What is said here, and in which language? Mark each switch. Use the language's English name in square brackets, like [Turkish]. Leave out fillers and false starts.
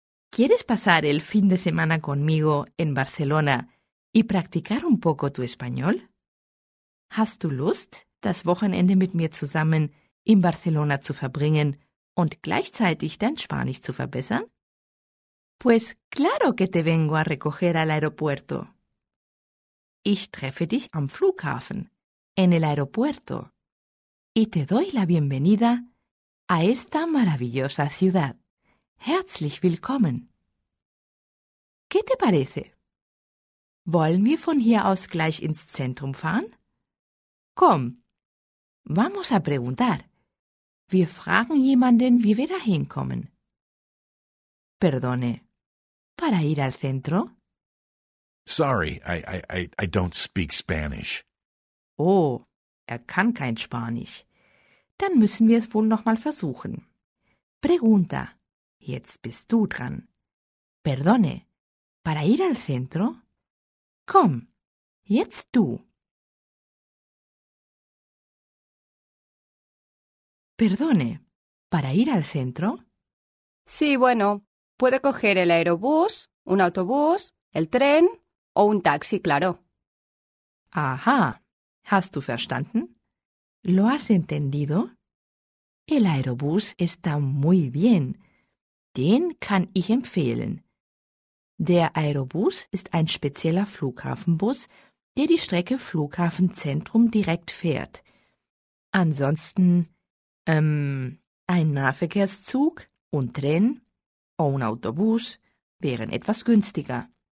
[Spanish] ¿Quieres pasar el fin de semana conmigo en Barcelona y practicar un poco tu español? [German] ¿Hast du Lust, das Wochenende mit mir zusammen in Barcelona zu verbringen und gleichzeitig dein Spanisch zu verbessern? [Spanish] Pues claro que te vengo a recoger al aeropuerto. [German] Ich treffe dich am Flughafen, [Spanish] en el aeropuerto, y te doy la bienvenida a esta maravillosa ciudad. [German] Herzlich willkommen. [Spanish] ¿Qué te parece? [German] ¿Wollen wir von hier aus gleich ins Zentrum fahren? Komm, [Spanish] vamos a preguntar. [German] Wir fragen jemanden, wie wir dahin kommen. [Spanish] Perdone, ¿para ir al centro? [English] Sorry, I don't speak Spanish. [German] Oh, er kann kein Spanisch. Dann müssen wir es wohl noch mal versuchen. [Spanish] Pregunta. [German] Jetzt bist du dran. [Spanish] Perdone. Para ir al centro? [German] Komm. Jetzt du. [Spanish] Perdone. Para ir al centro? Sí, bueno. Puede coger el aerobús, un autobús, el tren o un taxi, claro. [German] Aha. Hast du verstanden? [Spanish] ¿Lo has entendido? El aerobús está muy bien. [German] Den kann ich empfehlen. Der Aerobus ist ein spezieller Flughafenbus, der die Strecke Flughafenzentrum direkt fährt. Ansonsten, ein Nahverkehrszug, [Spanish] un tren, o un autobús, [German] wären etwas günstiger.